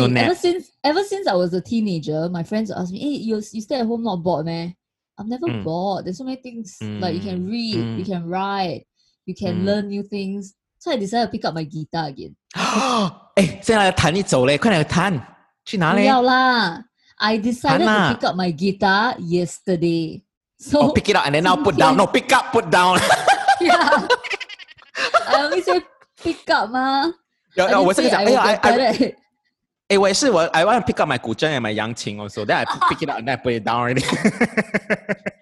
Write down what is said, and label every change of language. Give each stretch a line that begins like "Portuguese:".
English: Really, ever since I was a teenager, my friends ask me, hey, you stay at home not bored, man? I'm never bored. There's so many things. Like, you can read, you can write, you can learn new things. So I decided to pick up my guitar again.
Chinese: 现在弹一走嘞，快点弹，去哪里？不要啦,
English: I decided to pick up my guitar yesterday. So oh, pick it up and then now put down. No, pick up, put down. Yeah. I only say pick up, ma. Yeah, no,
Chinese: 我是跟你讲，哎呀，我也是，我
English: I want to pick up my 古筝 and my 扬琴 also. Then I pick it up and then I put it down already.